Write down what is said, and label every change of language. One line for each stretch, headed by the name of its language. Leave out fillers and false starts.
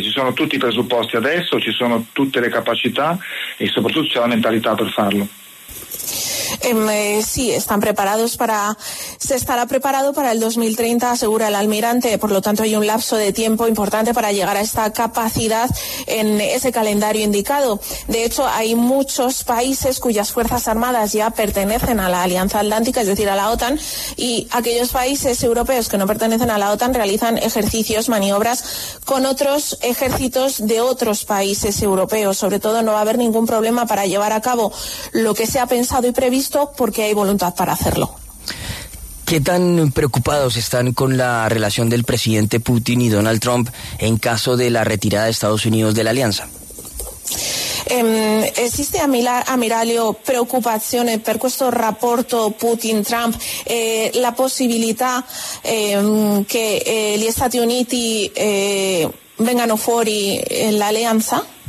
Italian: Ci sono tutti i presupposti adesso, ci sono tutte le capacità e soprattutto c'è la mentalità per farlo.
Spanish: Sí, están preparados para, se estará preparado para el 2030, asegura el almirante. Por lo tanto, hay un lapso de tiempo importante para llegar a esta capacidad en ese calendario indicado. De hecho, hay muchos países cuyas fuerzas armadas ya pertenecen a la Alianza Atlántica, es decir, a la OTAN, y aquellos países europeos que no pertenecen a la OTAN realizan ejercicios, maniobras con otros ejércitos de otros países europeos. Sobre todo, no va a haber ningún problema para llevar a cabo lo que se ha pensado y previsto porque hay voluntad para hacerlo. ¿Qué tan preocupados están con la relación del presidente Putin y Donald Trump en caso de la retirada de Estados Unidos de la alianza?
Italian: Esiste ammiraglio preoccupazione per questo rapporto Putin-Trump, la possibilità che gli Stati Uniti vengano fuori l'alleanza?